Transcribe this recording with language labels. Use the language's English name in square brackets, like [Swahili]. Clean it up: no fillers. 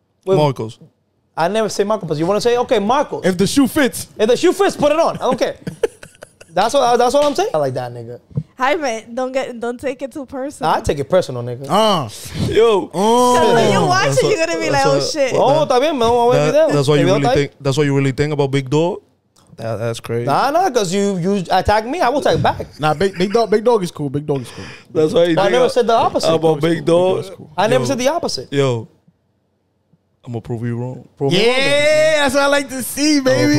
[English] with Marcos. I never say Marcos, but you want to say, okay, Marcos. If the shoe fits, put it on. I don't care. That's what I'm saying. I like that, nigga. Jaime, don't take it too personal. I take it personal, nigga. Yo. When you watch it, you're gonna be like, oh shit. [Spanish] Oh, está bien, me voy a ver video. [English] That's what you really think about Big Dog? That's crazy. Nah, because you attack me, I will attack back. Nah, Big Dog is cool. Big Dog is cool. That's why I never said the opposite. About Big Dog? I never said the opposite. Yo. I'm gonna prove you wrong. Yeah, that's what I like to see, baby.